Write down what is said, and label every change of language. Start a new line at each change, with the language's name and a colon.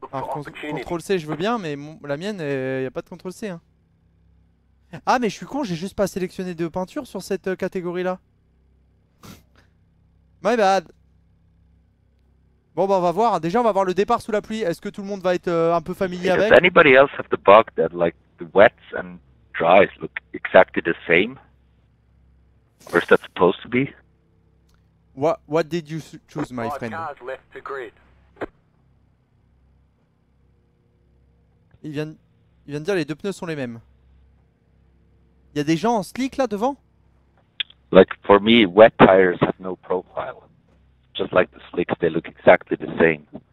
French: Alors, contrôle C, je veux bien, mais la mienne, il n'y a pas de contrôle C. Hein. Ah, mais je suis con, j'ai juste pas sélectionné de peinture sur cette catégorie-là.
English: My bad.
French: Bon bah on va voir. Déjà on va voir le départ sous la pluie. Est-ce que tout le monde va être un peu familier
English: Does
French: avec?
English: anybody else have the bug that like the wets and dries look exactly the same? Or is that supposed to be? What did you choose, my friend? Cars left the grid.
French: Il vient de dire les deux pneus sont les mêmes. Il y a des gens en slick là devant?
English: Like for me, wet tires have no profile. Just like the slicks, they look exactly the same.